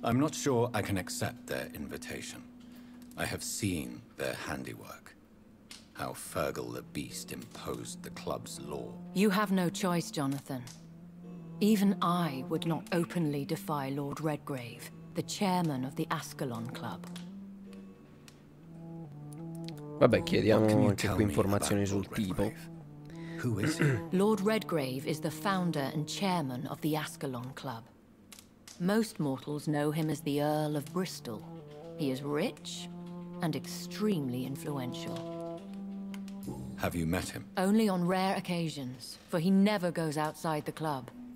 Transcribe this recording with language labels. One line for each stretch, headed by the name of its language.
English: I'm not sure I can accept their invitation. I have seen their handiwork. How Fergal the Beast imposed the club's law. You have no choice, Jonathan. Even I would not openly defy Lord Redgrave, the chairman of the Ascalon Club.
Italian: Vabbè, chiediamo anche qui informazioni sul tipo.
English: Who is he? Lord Redgrave is the founder and chairman of the Ascalon Club. Most mortals know him as the Earl of Bristol. He is rich and extremely influential. Have you met him? Only on rare occasions, for he never goes outside the club.